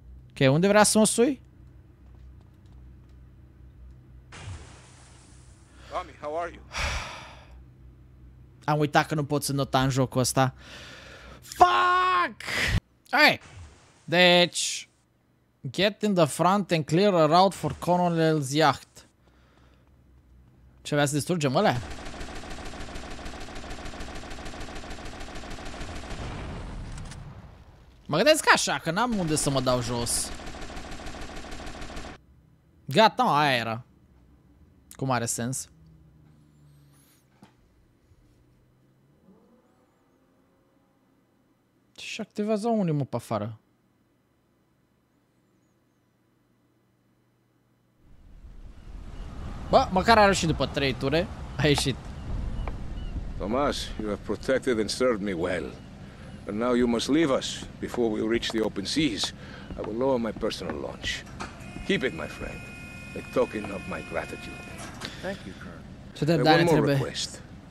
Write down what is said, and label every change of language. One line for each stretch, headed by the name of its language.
Romanian: Ok, unde vrea să mă sui?
English: Tommy, how are you?
Romanian: Am uitat că nu pot să nota în jocul ăsta.
English: Fuck! Hey!
Romanian: Deci...
English: Get in the front and clear a route for Colonel's yacht.
Romanian: Ce vrea să distrugem ălea? Mă gândesc așa, că n-am unde să mă dau jos. Gata, aia era. Cum are sens. Și activează unii mă pe afară. Bă, măcar a reușit după 3 ture. A ieșit.
English: Thomas, you have protected and served me well. But now you must leave us before we reach the open seas. I will lower my personal launch. Keep it, my friend. A token of my gratitude. Thank you, Colonel.
Romanian: Și de data
English: one more request.